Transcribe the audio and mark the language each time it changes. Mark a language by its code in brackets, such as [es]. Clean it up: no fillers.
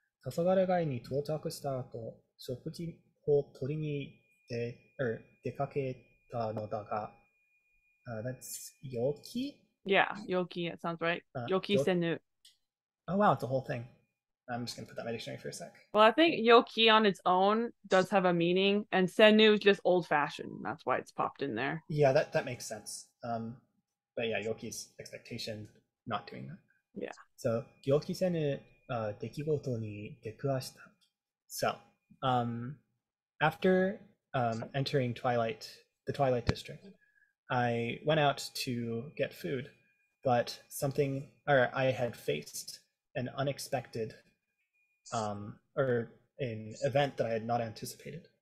[ja] 黄昏街に到着した後、食事を取りに出かけたのだが、 [en] that's [ja] 陽気？ [en] Yeah, Yoki, it sounds right. Yoki [ja] よ、 senu. [en] oh wow, it's a whole thing. I'm just gonna put that in my dictionary for a sec. Well, I think Yoki on its own does have a meaning, and senu is just old fashioned. That's why it's popped in there. Yeah, that makes sense. But yeah, Yoki's expectation not doing that. Yeah. [ja] So, 予期せぬ出来事に出くわした。 [en] So, after entering Twilight, the Twilight District, I went out to get food, but something, or I had faced an unexpected, or an event that I had not anticipated.